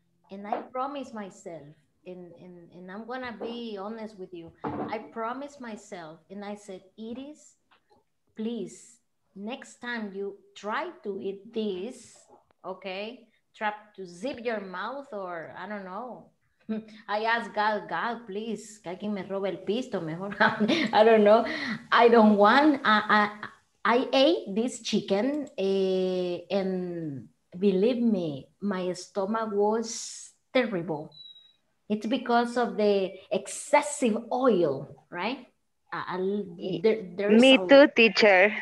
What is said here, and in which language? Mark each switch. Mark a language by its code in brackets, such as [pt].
[en] And I promised myself, and I'm gonna be honest with you, I promised myself, and I said, Iris, please, next time you try to eat this, okay, try to zip your mouth, or I don't know. I asked God, please, [es] que alguien me robe el pisto mejor. [en] I don't know. I don't want. I ate this chicken, and believe me, my stomach was terrible. It's because of the excessive oil, right? Me too, teacher.